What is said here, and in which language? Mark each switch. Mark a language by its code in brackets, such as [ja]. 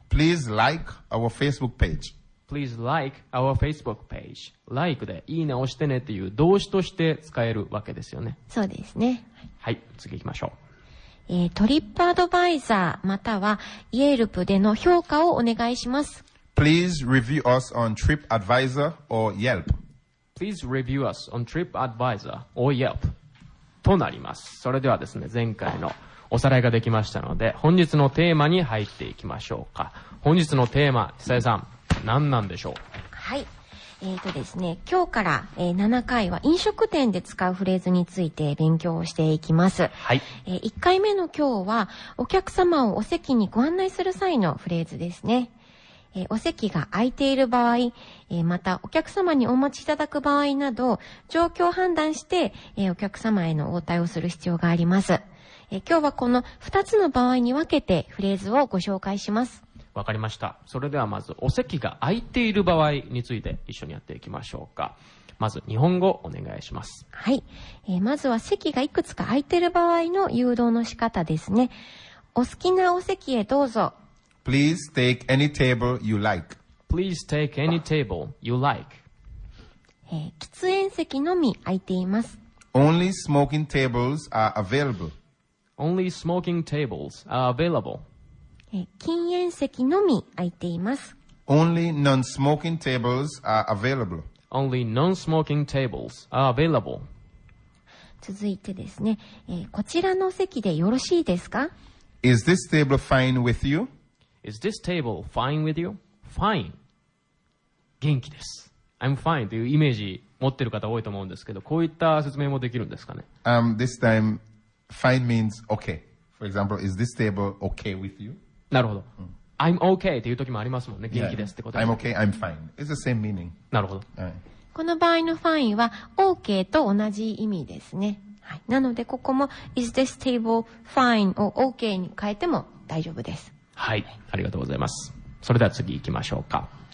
[en] Please like our Facebook page. Please like our Facebook page. [ja] Like でいいねをしてねという動詞として使えるわけですよね。そうですね。はい、次行きましょう。トリップアドバイザーまたは Yelp での評価をお願いします。 [en] Please review us on TripAdvisor or Yelp. Please review us on TripAdvisor or Yelp. [ja] となります。それではですね、前回のおさらいができましたので、本日のテーマに入っていきましょうか。本日のテーマ、久江さん、何なんでしょう？はい。ですね、今日から、7回は飲食店で使うフレーズについて勉強をしていきます。はい。 1回目の今日は、お客様をお席にご案内する際のフレーズですね。お席が空いている場合、またお客様にお待ちいただく場合など状況を判断して、お客様への応対をする必要があります。今日はこの2つの場合に分けてフレーズをご紹介します。わかりました。それではまずお席が空いている場合について一緒にやっていきましょうか。まず日本語お願いします。はい、まずは席がいくつか空いている場合の誘導の仕方ですね。お好きなお席へどうぞ。 [en] Please take any table you like. Please take any table you like. [ja] 喫煙席のみ空いています。 [en] Only smoking tables are available. Only smoking tables are available. [ja] 禁煙席のみ空いています。 [en] Only non-smoking tables are available. Only non-smoking tables are available. [ja] 続いてですね、こちらの席でよろしいですか？ [en] Is this table fine with you? Is this table fine with you? [ja] Fine. 元気です。 [en] I'm fine [ja] というイメージ持ってる方多いと思うんですけど、こういった説明もできるんですかね。 [en] This time, fine means okay. For example, is this table okay with you? [ja] なるほど。 [en] I'm okay [ja] っていう時もありますもんね。元気ですってこと。 [en] I'm okay, I'm fine. It's the same meaning. [ja] なるほど。この場合の fine は OK と同じ意味ですね。はい、なのでここも [en] Is this table fine [ja] を OK に変えても大丈夫です。はい、ありがとうございます。それでは次行きましょうか。